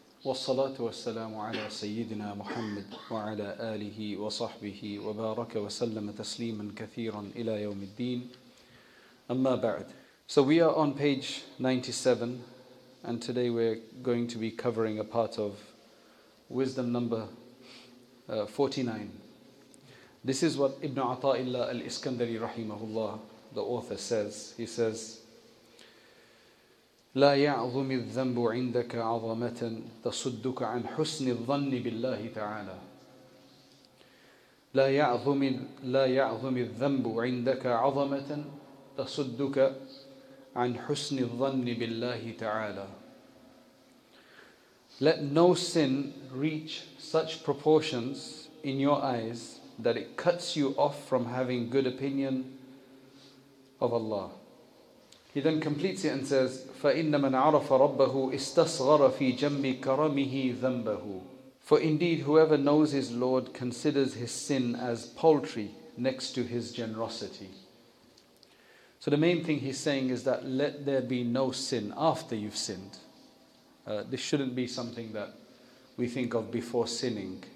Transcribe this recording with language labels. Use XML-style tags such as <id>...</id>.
<ar>والصلاة والسلام على سيدنا محمد وعلى آله وصحبه وبارك وسلم تسليما كثيرا إلى يوم الدين أما بعد.</ar> <en>So we are on page 97 and today we're going to be covering a part of wisdom number 49. This is what Ibn Ata'illah al-Iskandari rahimahullah, the author, says. He says,</en> <ar>لا يعظم الذنب عندك عظمة تصدك عن حسن الظن بالله تعالى. لا يعظم الذنب عندك عظمة تصدك عن حسن الظن بالله تعالى.</ar> <en>Let no sin reach such proportions in your eyes that it cuts you off from having good opinion of Allah. He then completes it and says,</en> <ar>فَإِنَّ مَنْ عَرَفَ رَبَّهُ إِسْتَصْغَرَ فِي جَمِّ كَرَمِهِ ذَنْبَهُ.</ar> <en>For indeed, whoever knows his Lord considers his sin as paltry next to his generosity. So the main thing he's saying is that let there be no sin after you've sinned. This shouldn't be something that we think of before sinning.</en>